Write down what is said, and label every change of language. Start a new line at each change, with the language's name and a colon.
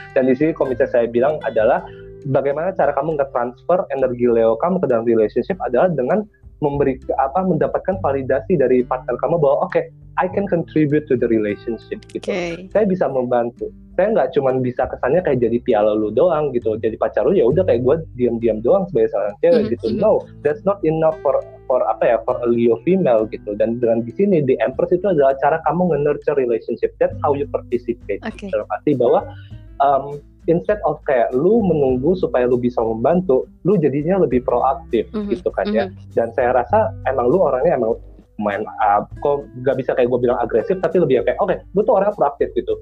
Indonesian: Dan di sini komite saya bilang adalah bagaimana cara kamu nge-transfer energi Leo kamu ke dalam relationship adalah dengan memberi apa mendapatkan validasi dari partner kamu bahwa oke,
English: okay, I can contribute to the relationship
Indonesian: gitu. Okay. Saya bisa membantu. Saya enggak cuman bisa kesannya kayak jadi piala lu doang gitu. Jadi pacar lu ya udah kayak gue diam-diam doang sebagai seorang cewek gitu.
English: No, that's not enough for
Indonesian: apa ya,
English: for a Leo female gitu.
Indonesian: Dan dengan di sini the Empress itu adalah cara kamu nge-nurture relationship.
English: That's how you participate. Okay.
Indonesian: Dalam arti bahwa
English: instead of
Indonesian: kayak lu menunggu supaya lu bisa membantu, lu jadinya lebih proaktif gitu kan ya. Dan saya rasa emang lu orangnya emang main kok gak bisa kayak gue bilang agresif, tapi lebih kayak oke, okay, gue tuh orangnya proaktif gitu.